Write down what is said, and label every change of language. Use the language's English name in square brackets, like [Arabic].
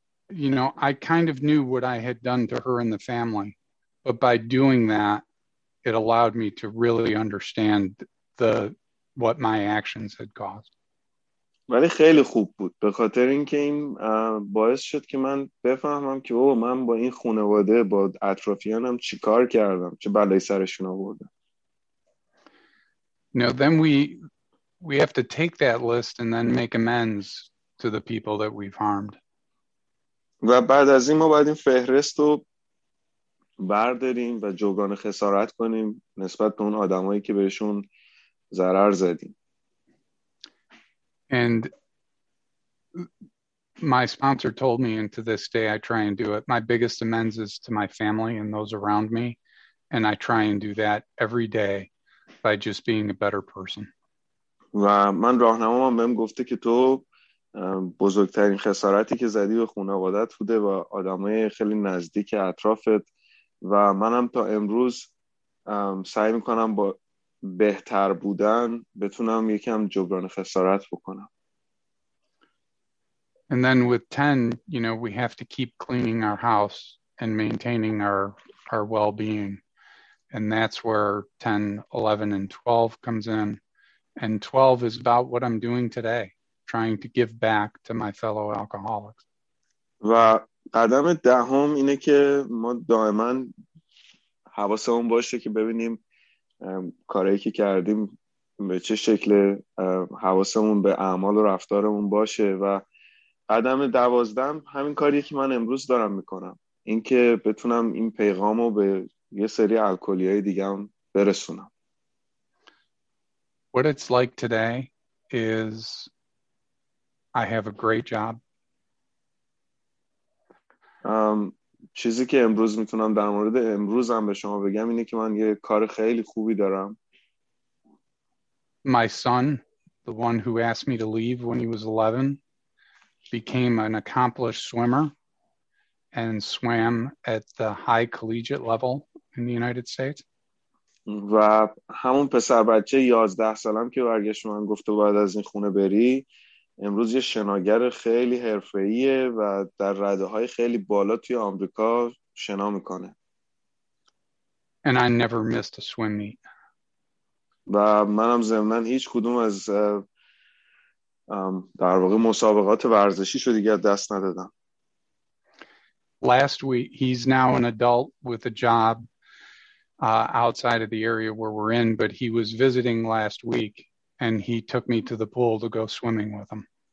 [English] You know, I kind of knew what I had done to her and the family, but by doing that, it allowed me to really understand what my actions had caused. [Persian] ولی خیلی خوب بود به خاطر اینکه این باعث شد که من بفهمم که او من با این خانواده با اطرافیانم چیکار کردم، چه بلایی سرشون آوردم. [English] Now then we have to take that list and then make amends to the people that we've harmed. [Persian] و بعد از این ما باید این فهرست رو برداریم و جبران خسارت کنیم نسبت به اون آدمایی که بهشون ضرر زدیم. [English] And my sponsor told me, and to this day I try and do it, my biggest amends is to my family and those around me, and I try and do that every day by just being a better person. [Persian] و من راهنمام بهم گفته که تو بزرگترین خسارتی که زدی به خانوادت بوده و آدمای خیلی نزدیک اطرافت، و منم تا امروز سعی میکنم با بهتر بودن بتونم یکم جبران خسارت بکنم. [English] And then with 10, you know, we have to keep cleaning our house and maintaining our well-being. And that's where 10, 11 and 12 comes in. And 12 is about what I'm doing today, trying to give back to my fellow alcoholics. [Persian] و قدم دهم اینه که ما دائما حواسمون باشه که ببینیم کارهایی که کردیم به چه شکل حواسمون به اعمال و رفتارمون باشه و قدم دوازدهم همین کاری که من امروز دارم میکنم این که بتونم این پیغامو به یه سری الکلیای دیگه هم برسونم. [English] What it's like today is I have a great job. [Persian] چیزی که امروز میتونم در مورد امروزم به شما بگم اینه که من یه کار خیلی خوبی دارم. [English] My son, the one who asked me to leave when he was 11, became an accomplished swimmer and swam at the high collegiate level in the United States. [Persian] و همون پسر بچه 11 سالم که برگشت من گفته باید از این خونه بری امروز یه شناگر خیلی حرفه‌ایه و در رده‌های خیلی بالا توی آمریکا شنا میکنه. [English] And I never missed a swim meet. [Persian] و منم ضمناً هیچ کدوم از در واقع مسابقات ورزشیشو دیگه دست ندادم. [English] Last week he's now an adult with a job outside of the area where we're in, but he was visiting last week and he took me to the pool to go swimming with him.